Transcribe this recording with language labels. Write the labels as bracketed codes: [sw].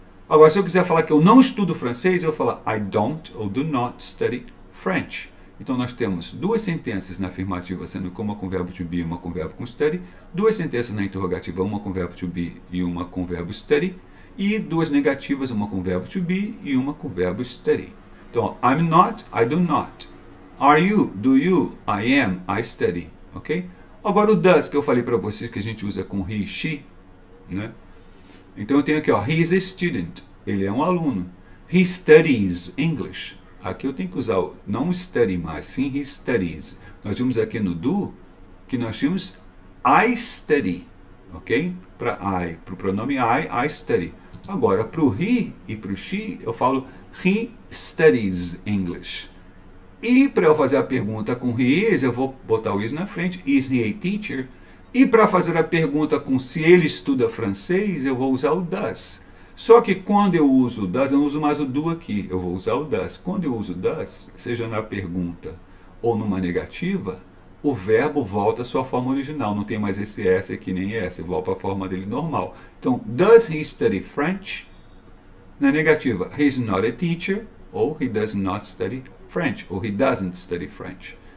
[pt] Agora, se eu quiser falar que eu não estudo francês, eu vou falar [en] I don't [pt] ou [en] do not study French. [pt] Então, nós temos duas sentenças na afirmativa, sendo que uma com o verbo to be e uma com o verbo com study, duas sentenças na interrogativa, uma com o verbo to be e uma com o verbo study, e duas negativas, uma com o verbo to be e uma com o verbo study. [en] Então, I'm not, I do not. Are you, do you, I am, I study, ok? [pt] Agora o does, que eu falei para vocês que a gente usa com he, she, né? Então eu tenho aqui, ó, [en] he is a student, [pt] ele é um aluno. [en] He studies English. [pt] Aqui eu tenho que usar o não study mais, sim [en] he studies. [pt] Nós vimos aqui no do que nós tínhamos [en] I study, [pt] ok? Para I, para o pronome I study. Agora para o he e para o she eu falo [en] he studies English. [pt] E para eu fazer a pergunta com he is, eu vou botar o is na frente, [en] is he a teacher? [pt] E para fazer a pergunta com se ele estuda francês, eu vou usar o does. Só que quando eu uso o does, eu não uso mais o do aqui, eu vou usar o does. Quando eu uso o does, seja na pergunta ou numa negativa, o verbo volta à sua forma original, não tem mais esse s aqui nem s, eu volto para a forma dele normal. [en] Então, does he study French? [pt] Na negativa, [en] he's not a teacher, ou he does not study French, ou he doesn't study French.